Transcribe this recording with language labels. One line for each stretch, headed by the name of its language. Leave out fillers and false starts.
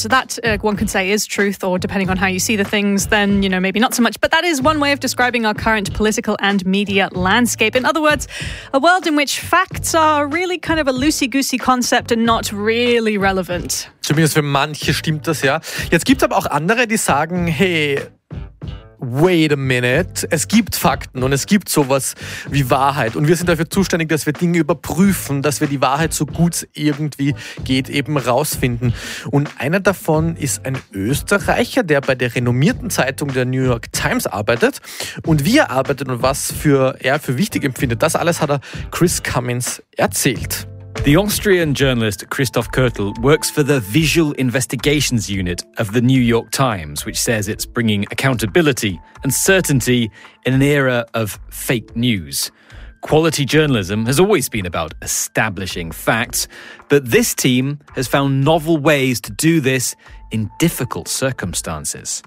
English: That, one can say, is truth, or depending on how you see the things, then, you know, maybe not so much. But that is one way of describing our current political and media landscape. In other words, a world in which facts are really kind of a loosey-goosey concept and not really relevant.
German: Zumindest für manche stimmt das, ja. Jetzt gibt's aber auch andere, die sagen,
English: hey, wait a minute,
German: es gibt Fakten und es gibt sowas wie Wahrheit und wir sind dafür zuständig, dass wir Dinge überprüfen, dass wir die Wahrheit so gut es irgendwie geht eben rausfinden. Und einer davon ist ein Österreicher, der bei der renommierten Zeitung der New York Times arbeitet. Und wie er arbeitet und was für er für wichtig empfindet, das alles hat er Chris Cummins erzählt.
English: The Austrian journalist Christoph Kürtel works for the Visual Investigations Unit of the New York Times, which says it's bringing accountability and certainty in an era of fake news. Quality journalism has always been about establishing facts, but this team has found novel ways to do this in difficult circumstances.